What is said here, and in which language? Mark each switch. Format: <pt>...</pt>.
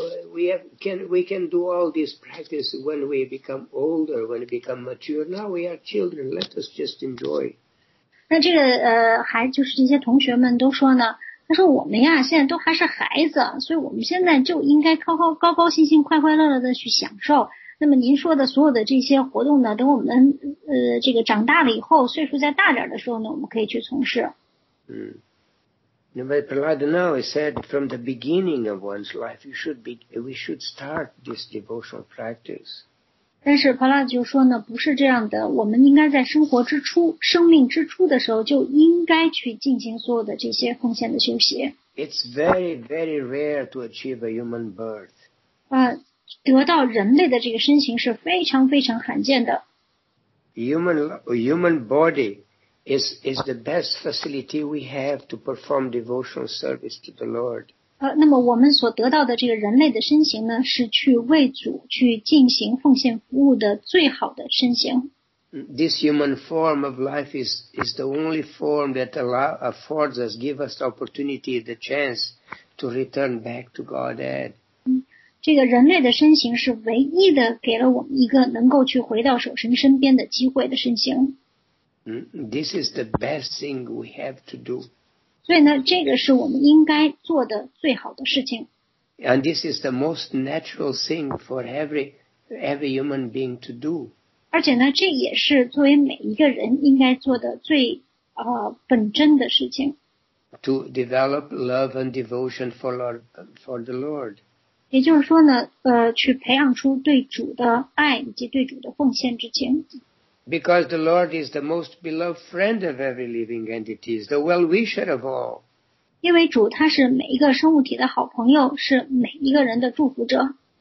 <en>We can do all this practice when we become older, when we become mature. Now we are children. Let us just enjoy.</en> <zh>那这个还就是这些同学们都说呢。他说我们呀现在都还是孩子，所以我们现在就应该高高兴兴快快乐乐的去享受。那么您说的所有的这些活动呢，等我们这个长大了以后，岁数再大点的时候呢，我们可以去从事。</zh> <en>But Prahlad now said from the beginning of one's life, we should start this devotional practice.</en> <zh>但是 Prahlad 就说呢，不是这样的，我们应该在生活之初、生命之初的时候就应该去进行所有的这些奉献的修习。</zh> <en>It's very, very rare to achieve a human birth.</en> <zh>得到人类的这个身形是非常非常罕见的。</zh> <en>Human body. Is the best facility we have to perform devotional service to the Lord.</en> <zh>那么我们所得到的这个人类的身形呢，是去为主去进行奉献服务的最好的身形。</zh> <en>This human form of life is the only form that affords us, give us the opportunity, the chance to return back to Godhead.</en> <zh>这个人类的身形是唯一的给了我们一个能够去回到守神身边的机会的身形。</zh> <en>This is the best thing we have to do.</en> <zh>所以呢，这个是我们应该做的最好的事情。</zh> <en>And this is the most natural thing for every human being to do.</en> <zh>而且呢，这也是作为每一个人应该做的最本真的事情。</zh> <en>To develop love and devotion for the Lord.</en> <zh>也就是说呢，去培养出对主的爱以及对主的奉献之情。</zh> <en>Because the Lord is the most beloved friend of every living entity, the well-wisher of all.</en> <zh>因为主他是每一个生物体的好朋友，是每一个人的祝福者。</zh>